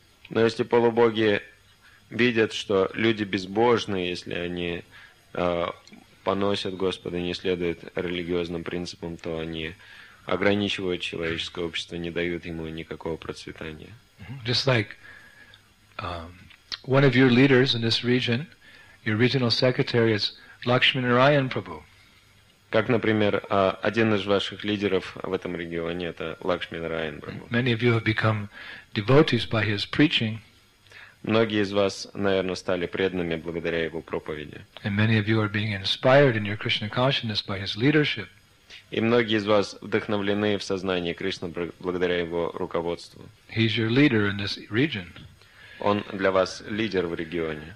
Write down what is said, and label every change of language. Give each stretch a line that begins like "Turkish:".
Russian: Но если полубоги видят, что люди безбожны, если они поносят Господа, не следуют религиозным принципам, то они ограничивают человеческое общество, не дают ему никакого процветания.
English: Just like one of your leaders in this region, your regional secretary is Lakshmi Narayan Prabhu.
Russian: Как, например, один из ваших лидеров в этом регионе, это Лакшми Нараян Прабху.
English: Many of you have become devotees by his preaching.
Russian: Многие из вас, наверное, стали преданными благодаря его проповеди.
English: And many of you are being inspired in your Krishna consciousness by his leadership.
Russian: И многие из вас вдохновлены в сознании Кришны благодаря его руководству.
English: He's your leader in this region.
Russian: Он для вас лидер в регионе.